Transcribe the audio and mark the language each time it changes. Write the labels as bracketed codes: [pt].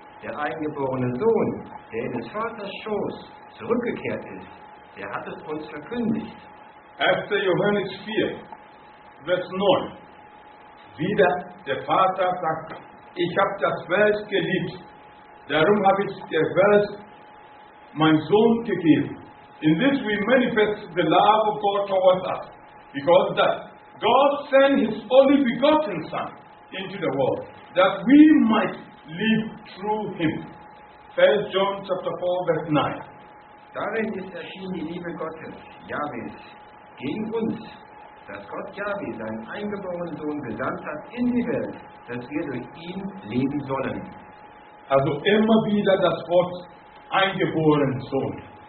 [de] Der eingeborene Sohn, der in des Vaters Schoß zurückgekehrt ist, der hat es uns verkündigt. After Johannes 4, Vers 9, wieder der Vater sagt, ich habe das Welt geliebt, darum habe ich der Welt mein Sohn gegeben. [en] In this we manifest the love of God towards us, because that God sent his only begotten Son into the world, that we might live through him. 1 John chapter 4, Vers 9. [de] Darin ist erschienen die Liebe Gottes, Jahwes, gegen uns, dass Gott Jahwe seinen eingeborenen Sohn gesandt hat in die Welt, dass wir durch ihn leben sollen. Also immer wieder das Wort eingeboren Sohn.